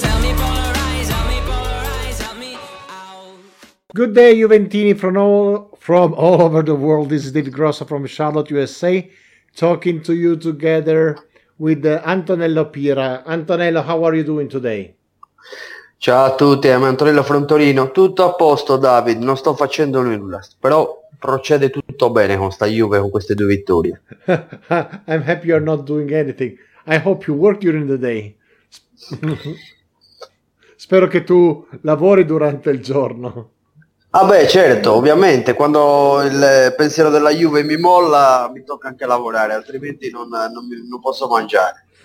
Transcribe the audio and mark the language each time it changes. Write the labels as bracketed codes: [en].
[en] Help me polarize, help me polarize, help me out. Good day, Juventini, from all over the world. This is David Grosso from Charlotte, USA, talking to you together with Antonello Pira. Antonello, how are you doing today? [it] Ciao a tutti, [en] I'm Antonello from Torino. [it] Tutto a posto, David, non sto facendo nulla, però procede tutto bene con sta Juve, con queste due vittorie. [en] I'm happy you're not doing anything. I hope you work during the day. [it] Spero che tu lavori durante il giorno. Ah beh, certo, ovviamente, quando il pensiero della Juve mi molla, mi tocca anche lavorare, altrimenti non posso mangiare.